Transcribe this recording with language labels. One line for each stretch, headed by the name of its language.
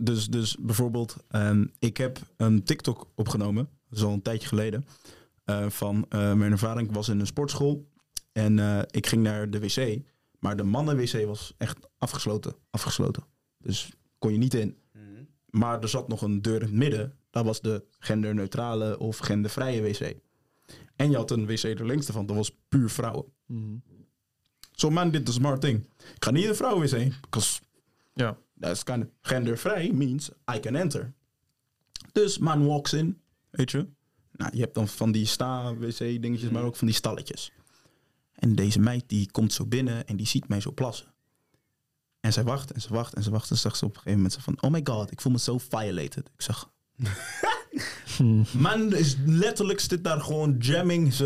Dutch: dus bijvoorbeeld, ik heb een TikTok opgenomen, dat is al een tijdje geleden, van mijn ervaring. Ik was in een sportschool en ik ging naar de wc, maar de mannen-wc was echt afgesloten. Dus kon je niet in. Mm-hmm. Maar er zat nog een deur in het midden. Dat was de genderneutrale of gendervrije wc. En je had een wc er links van. Dat was puur vrouwen. Mm-hmm.
English: So man,
Dutch: dit is
English: a smart thing.
Dutch: Ik ga niet in de vrouwen wc.
English: Because that's kind of gendervrij means I can enter. Dus man walks in.
Dutch: Weet je? Nou, je hebt dan van die sta-wc dingetjes, maar ook van die stalletjes. En deze meid die komt zo binnen en die ziet mij zo plassen. En zij wacht en ze wacht en ze wacht. En zag ze op een gegeven moment van...
English: Oh my god,
Dutch: ik voel me zo violated. Ik zag... Man is letterlijk zit daar gewoon jamming.